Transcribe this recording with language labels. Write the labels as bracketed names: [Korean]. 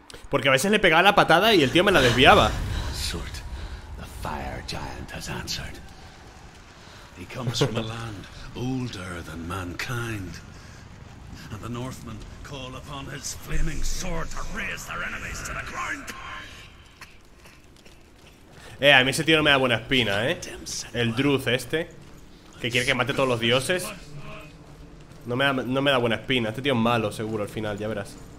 [Spanish] Porque a veces le pegaba la patada y el tío me la desviaba. [English] Surt, the fire giant has answered. He comes from a land older than mankind. And the Northmen call upon his flaming sword to raise their enemies to the ground. [Spanish] A mí ese tío no me da buena espina, ¿eh? El Druz este, que quiere que mate todos los dioses. No me da buena espina. Este tío es malo, seguro, al final, ya verás.